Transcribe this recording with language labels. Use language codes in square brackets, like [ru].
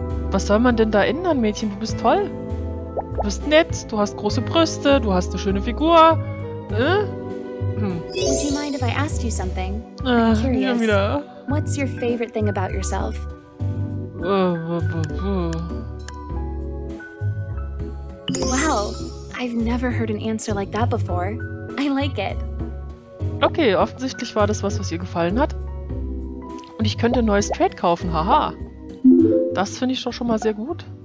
[de] Was soll man denn da ändern, Mädchen? Du bist toll. Du bist nett, du hast große Brüste, du hast eine schöne Figur. [en] Would you mind if I asked you something? [de] Wieder. [en] What's your favorite thing about yourself? Wow, I've never heard an answer like that before. I like it. [de] Okay, offensichtlich war das was, was ihr gefallen hat. Und ich könnte ein neues Trade kaufen, haha. Das finde ich doch schon mal sehr gut.